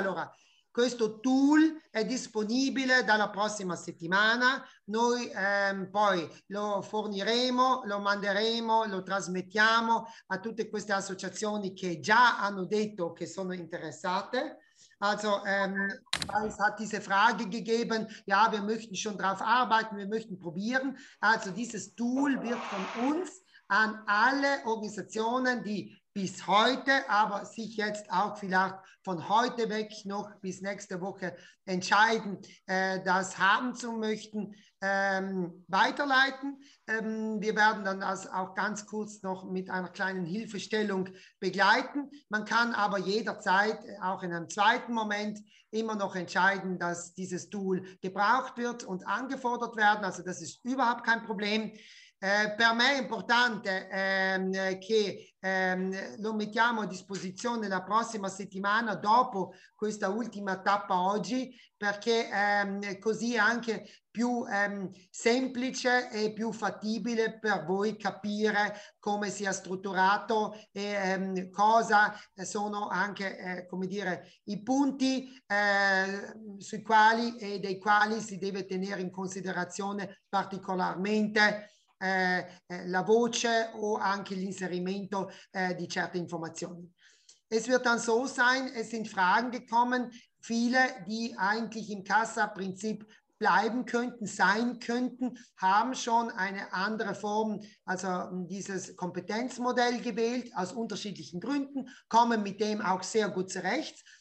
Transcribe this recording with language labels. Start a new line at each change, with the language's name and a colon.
Italian: Allora, questo tool è disponibile dalla prossima settimana. Noi poi lo forniremo, lo manderemo, lo trasmettiamo a tutte queste associazioni che già hanno detto che sono interessate.
German: Weil es hat diese Frage gegeben, ja, wir möchten schon darauf arbeiten, wir möchten probieren. Also dieses Tool wird von uns an alle Organisationen, die bis heute, aber sich jetzt auch vielleicht von heute weg noch bis nächste Woche entscheiden, das haben zu möchten, weiterleiten. Wir werden dann das auch ganz kurz noch mit einer kleinen Hilfestellung begleiten. Man kann aber jederzeit, auch in einem zweiten Moment, immer noch entscheiden, dass dieses Tool gebraucht wird und angefordert werden. Also das ist überhaupt kein Problem.
Italian: Per me è importante che lo mettiamo a disposizione la prossima settimana, dopo questa ultima tappa oggi, perché così è anche più semplice e più fattibile per voi capire come sia strutturato e cosa sono anche, come dire, i punti sui quali e dei quali si deve tenere in considerazione particolarmente la voce o anche l'inserimento di certe informazioni.
German: Es wird dann so sein, es sind Fragen gekommen, viele, die eigentlich im Kassa-Prinzip bleiben könnten, sein könnten, haben schon eine andere Form, also dieses Kompetenzmodell gewählt, aus unterschiedlichen Gründen, kommen mit dem auch sehr gut zurecht.